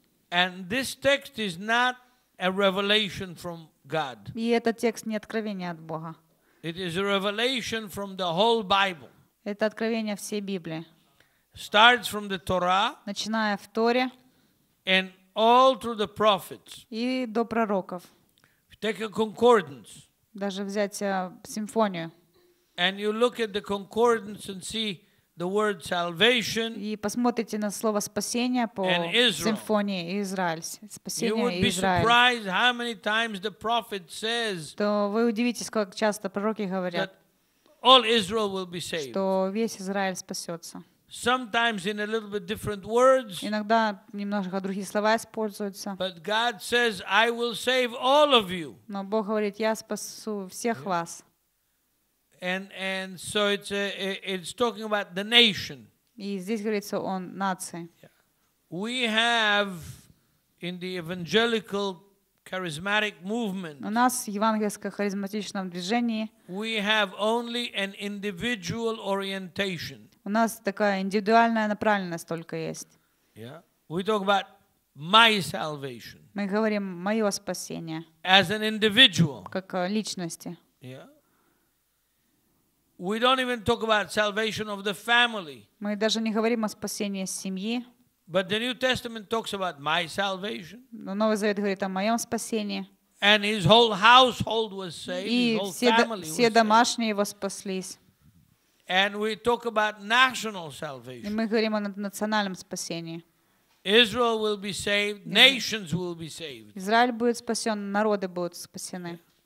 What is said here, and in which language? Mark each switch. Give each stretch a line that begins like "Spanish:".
English: And this text is not a revelation from God.
Russian: И этот текст не откровение от Бога.
English: It is a revelation from the whole Bible.
Russian: Это откровение всей Библии.
English: Starts from the Torah,
Russian: начиная в Торе,
English: and all through the prophets,
Russian: и до пророков.
English: Take a concordance,
Russian: даже взять симфонию,
English: and you look at the concordance and see the word salvation,
Russian: и посмотрите на слово спасение по симфонии Израиль, спасение Израиль.
English: You would be surprised how many times the prophet says,
Russian: то вы удивитесь, как часто пророки говорят,
English: all Israel will be saved,
Russian: что весь Израиль спасется.
English: Sometimes in a little bit different words.
Russian: Иногда немножко другие слова используются.
English: But God says, "I will save all of you."
Russian: Но Бог говорит, я спасу всех вас.
English: And so it's talking about the nation.
Russian: И здесь говорится о нации.
English: We have in the evangelical charismatic movement.
Russian: У нас в евангельском харизматичном движении.
English: We have only an individual orientation.
Russian: У нас такая индивидуальная направленность только есть. Yeah.
English: We talk about my salvation.
Russian: Мы говорим мое спасение.
English: As an individual.
Russian: Как личности. Yeah.
English: We don't even talk about salvation of the family.
Russian: Мы даже не говорим о спасении семьи.
English: But the New Testament talks about my salvation.
Russian: Но Новый Завет говорит о моем спасении.
English: And his whole household was saved.
Russian: И все домашние его спаслись.
English: And we talk about national salvation.
Russian: И мы говорим о национальном спасении.
English: Israel will be saved. Nations will be saved.
Russian: Израиль будет спасен, народы будут спасены.